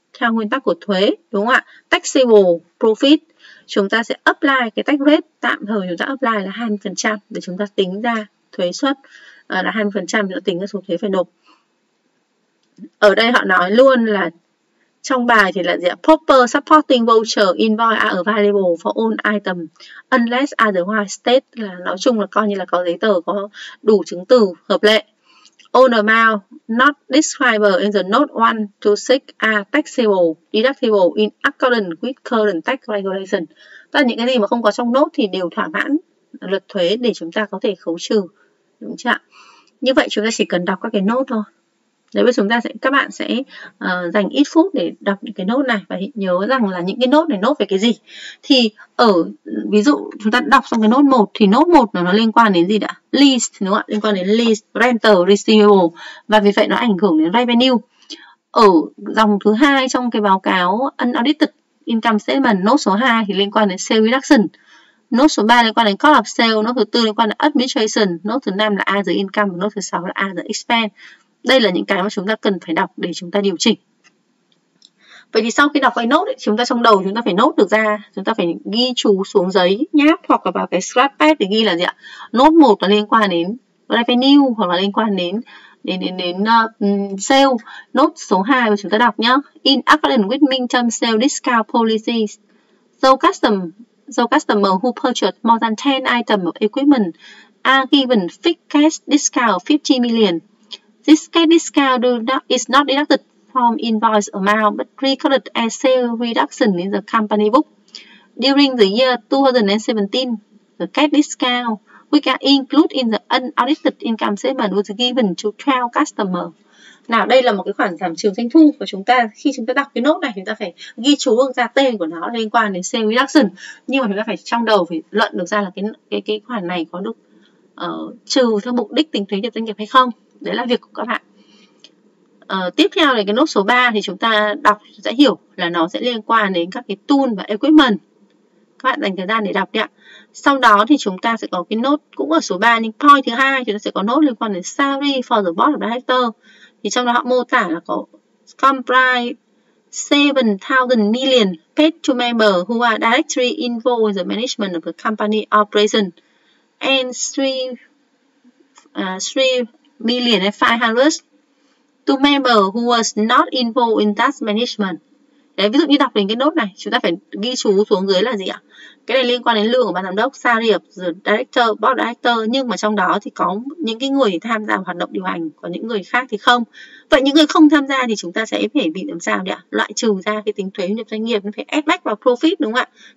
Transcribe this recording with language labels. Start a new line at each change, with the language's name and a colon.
Vietnamese: Theo nguyên tắc của thuế, đúng không ạ? Taxable profit, chúng ta sẽ apply cái tax rate, tạm thời chúng ta apply là 20% để chúng ta tính ra thuế suất là 20% để tính ra số thuế phải nộp. Ở đây họ nói luôn là trong bài thì là gì ạ?
English: Proper supporting voucher invoice are available for all items unless otherwise stated,
Vietnamese: là nói chung là coi như là có giấy tờ, có đủ chứng từ hợp lệ.
English: All amount not described in the note 1 to 6 are taxable, deductible in accordance with current tax regulation.
Vietnamese: Tức là những cái gì mà không có trong note thì đều thỏa mãn luật thuế để chúng ta có thể khấu trừ. Đúng chưa ạ? Như vậy chúng ta chỉ cần đọc các cái note thôi. Đấy, bây giờ chúng ta sẽ các bạn sẽ dành ít phút để đọc những cái nốt này và nhớ rằng là những cái nốt này nốt về cái gì. Thì ở ví dụ chúng ta đọc xong cái nốt 1 thì nốt 1 nó liên quan đến gì đã? List đúng không ạ? Liên quan đến list, rental, receivable và vì vậy nó ảnh hưởng đến revenue. Ở dòng thứ hai trong cái báo cáo unaudited income statement, nốt số 2 thì liên quan đến sales reduction. Nốt số 3 liên quan đến cost of sale, nốt thứ 4 liên quan đến administration, nốt thứ 5 là other income, nốt thứ 6 là other expense. Đây là những cái mà chúng ta cần phải đọc để chúng ta điều chỉnh. Vậy thì sau khi đọc cái nốt, chúng ta trong đầu chúng ta phải nốt được ra, chúng ta phải ghi chú xuống giấy nháp hoặc là vào cái scratchpad để ghi là gì ạ? Nốt 1 là liên quan đến revenue hoặc là liên quan đến sale. Nốt số 2 mà chúng ta đọc nhá.
English: In accordance with minimum sale discount policies, so customer who purchased more than 10 items of equipment are given fixed cash discount of 50 million. This cash discount is not deducted from invoice amount but recorded as sales reduction in the company book. During the year 2017, the cash discount, which are included in the unaudited income statement, was given to 12 customers.
Vietnamese: Nào, đây là một cái khoản giảm trừ doanh thu và chúng ta khi chúng ta đọc cái nốt này, chúng ta phải ghi chú ra tên của nó liên quan đến sales reduction, nhưng mà chúng ta phải trong đầu phải luận được ra là cái khoản này có được trừ theo mục đích tính thuế nhập doanh nghiệp hay không. Đấy là việc của các bạn. Tiếp theo là cái nốt số 3 thì chúng ta đọc sẽ hiểu là nó sẽ liên quan đến các cái tool và equipment. Các bạn dành thời gian để đọc đi ạ. Sau đó thì chúng ta sẽ có cái nốt cũng ở số 3 nhưng point thứ 2 chúng ta sẽ có nốt liên quan đến salary for the board of director. Thì trong đó họ mô tả là có
English: comprise 7,000 million paid to members who are directly involved in the management of the company operation and 3,500 million to members who was not involved in that management.
Vietnamese: Đấy, ví dụ như đọc đến cái nốt này, chúng ta phải ghi chú xuống dưới là gì ạ? Cái này liên quan đến lương của ban giám đốc,
English: salary of the director, board director,
Vietnamese: nhưng mà trong đó thì có những cái người tham gia hoạt động điều hành, còn những người khác thì không. Vậy những người không tham gia thì chúng ta sẽ phải bị làm sao ạ? Loại trừ ra cái tính thuế nhập doanh nghiệp, phải add back vào profit đúng không ạ?